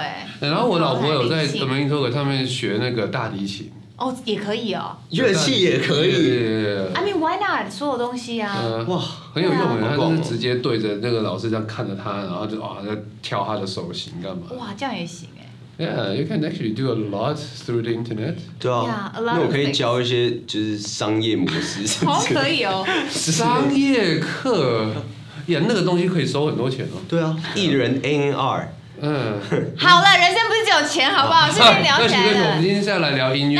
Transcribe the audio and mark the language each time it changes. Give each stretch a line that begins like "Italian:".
Chinese: 耶。然后我老婆有在 Amazing Talk 上面学那个大提琴。哦，也可以哦，乐器也可以。
English: I mean, why not？
Chinese: 所有东西啊，哇，很有用的。他就是直接对着那个老师这样看着他，然后就哇在跳他的手型干嘛？哇，这样也行哎。
English: Yeah, you can actually do a lot through the internet.
Chinese: 对啊，那我可以教一些就是商业模式。好，可以哦，商业课，呀，那个东西可以收很多钱哦。对啊，艺人 NR。好了，人生不是只有钱，好不好？顺便聊起来了。那我们今天再来聊音乐。